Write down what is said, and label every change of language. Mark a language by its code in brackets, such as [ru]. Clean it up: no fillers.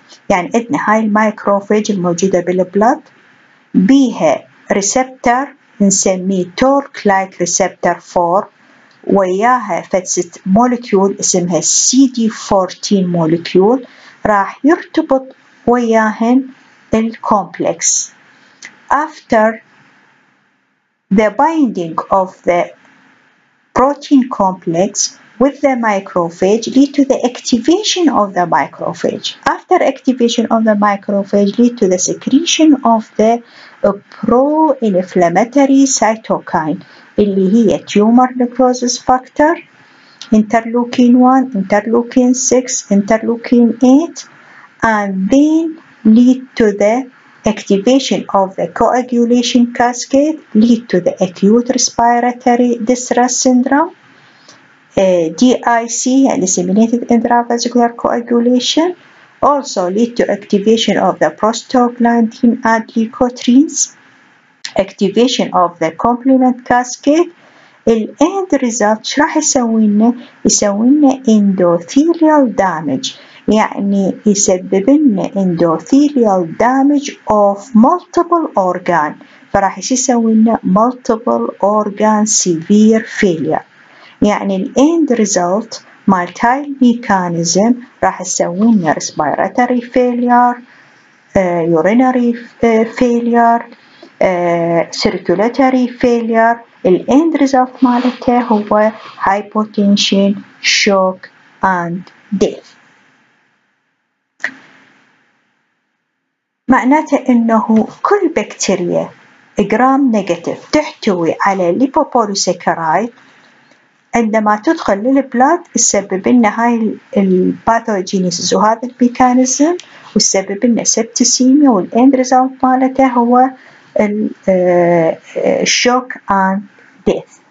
[ar] يعني عندنا هاي الميكروفاج الموجودة بالبلد بيها ريسبتر نسميه تورك لايك ريسبتر 4، وياها فتسه مولكيول اسمها سي دي 14 مولكيول. راح يرتبط وياهن الكومبلكس. [en] After the binding of the protein complex with the microphage lead to the activation of the microphage. After activation of the microphage lead to the secretion of the pro-inflammatory cytokine [ar] اللي هي [en] tumor necrosis factor, interleukin 1, interleukin 6, interleukin 8, and then lead to the activation of the coagulation cascade, lead to the acute respiratory distress syndrome, DIC, disseminated intravascular coagulation, also lead to activation of the prostaglandin and leukotrienes, activation of the complement cascade. [ar] ال [en] end result [ar] شو راح يسوي لنا؟ يسوي لنا [en] endothelial damage. [ar] يعني يسبب لنا [en] endothelial damage of multiple organ، [ar] فراح يسوي لنا [en] multiple organ severe failure. [ar] يعني ال end result مال هاي الميكانيزم راح يسوي لنا [en] respiratory failure, urinary failure, circulatory failure. ال end result [ar] مالته هو [en] hypotension, shock and death. [ar] معناته انه كل بكتيريا جرام نيجاتيف تحتوي على ليبوبوليسكرايد عندما تدخل للبلاد تسبب لنا هاي الباثوجينيسيس وهذا الميكانيزم وتسبب لنا سبتسيميا والاند ريزلت مالته هو الشوك اند ديث.